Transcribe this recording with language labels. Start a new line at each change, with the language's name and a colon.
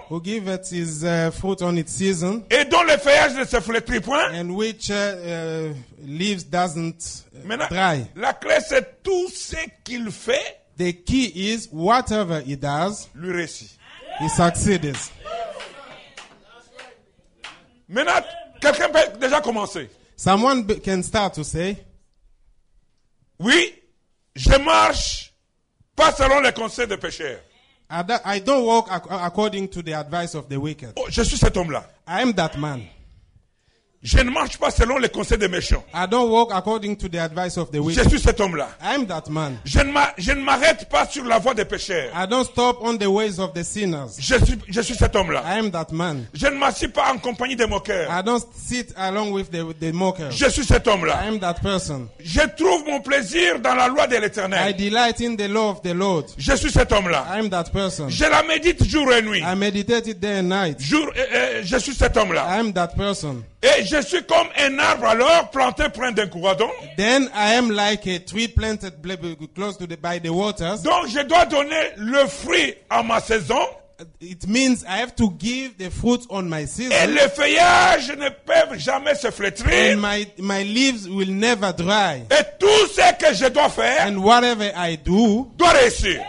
English: Who give it his fruit on its season.
French: Et dont le feuillage ne se flétrit point.
English: And which leaves doesn't
French: Maintenant,
English: dry.
French: La clé, c'est tout ce qu'il fait.
English: The key is whatever he does.
French: Lui réussit.
English: He succeeds.
French: Maintenant, quelqu'un peut déjà commencer.
English: Someone can start to say.
French: Oui, je marche pas selon les conseils des pécheurs.
English: I don't walk according to the advice of the wicked.
French: Oh, je suis cet homme-là.
English: I am that man.
French: Je ne marche pas selon les conseils des méchants.
English: I don't walk according to the advice of the wicked.
French: Je suis cet homme-là.
English: I am that man.
French: Je ne m'arrête pas sur la voie des pécheurs.
English: I don't stop on the ways of the sinners.
French: Je suis cet homme-là.
English: I am that man.
French: Je ne m'assieds pas en compagnie des moqueurs.
English: I don't sit along with the mockers.
French: Je suis cet homme-là.
English: I am that person.
French: Je trouve mon plaisir dans la loi de l'Éternel.
English: I delight in the law of the Lord.
French: Je suis cet homme-là.
English: I am that person.
French: Je la médite jour et nuit.
English: I meditate it day and night.
French: Je suis cet homme-là.
English: I am that person.
French: Et je suis comme un arbre alors planté près d'un courant.
English: Then I am like a tree planted close to the by the waters.
French: Donc je dois donner le fruit à ma saison.
English: It means I have to give the fruit on my season.
French: Et le feuillage ne peut jamais se flétrir.
English: And my leaves will never dry.
French: Et tout ce que je dois faire.
English: And whatever I do.
French: Doit réussir.